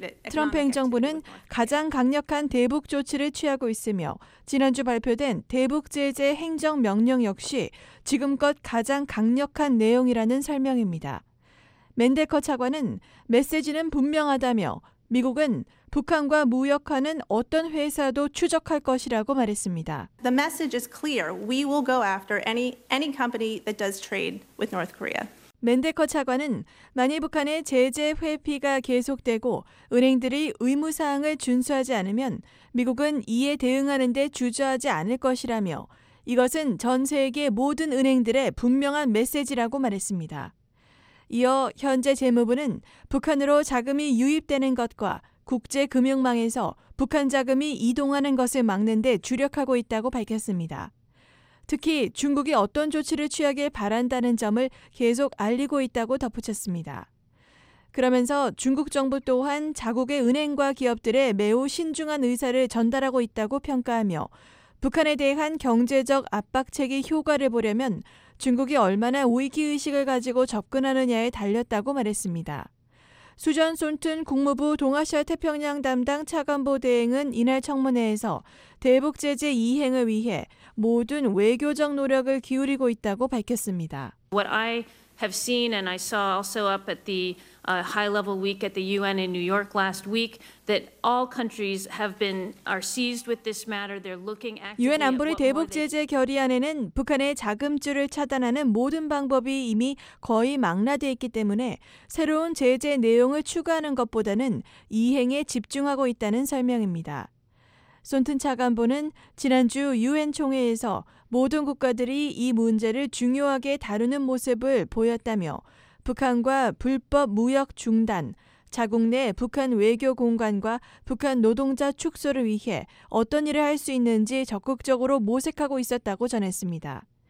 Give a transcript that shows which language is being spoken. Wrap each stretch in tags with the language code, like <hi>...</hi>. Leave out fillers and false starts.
<ko>트럼프 행정부는 가장 강력한 대북 조치를 취하고 있으며 지난주 발표된 대북 제재 행정 명령 역시 지금껏 가장 강력한 내용이라는 설명입니다. 맨데커 차관은 메시지는 분명하다며 미국은 북한과 무역하는 어떤 회사도 추적할 것이라고 말했습니다.</ko> <en>The message is clear. We will go after any company that does trade with North Korea.</en> <ko>맨데커 차관은 만일 북한의 제재 회피가 계속되고 은행들이 의무사항을 준수하지 않으면 미국은 이에 대응하는 데 주저하지 않을 것이라며 이것은 전 세계 모든 은행들의 분명한 메시지라고 말했습니다. 이어 현재 재무부는 북한으로 자금이 유입되는 것과 국제금융망에서 북한 자금이 이동하는 것을 막는 데 주력하고 있다고 밝혔습니다. 특히 중국이 어떤 조치를 취하길 바란다는 점을 계속 알리고 있다고 덧붙였습니다. 그러면서 중국 정부 또한 자국의 은행과 기업들에 매우 신중한 의사를 전달하고 있다고 평가하며 북한에 대한 경제적 압박책이 효과를 보려면 중국이 얼마나 위기의식을 가지고 접근하느냐에 달렸다고 말했습니다. 수전 솔튼 국무부 동아시아 태평양 담당 차관보 대행은 이날 청문회에서 대북 제재 이행을 위해 모든 외교적 노력을 기울이고 있다고 밝혔습니다.</ko> <en>What I have seen and I saw also up at the high level week at the UN in New York last week that all countries have been are seized with this matter. They're looking at</en> <ko>유엔 안보리 대북 제재 결의안에는 북한의 자금줄을 차단하는 모든 방법이 이미 거의 망라돼 있기 때문에 새로운 제재 내용을 추가하는 것보다는 이행에 집중하고 있다는 설명입니다. 손튼 차관보는 지난주 유엔 총회에서 모든 국가들이 이 문제를 중요하게 다루는 모습을 보였다며 북한과 불법 무역 중단, 자국 내 북한 외교 공관과 북한 노동자 축소를 위해 어떤 일을 할 수 있는지 적극적으로 모색하고 있었다고 전했습니다.</ko>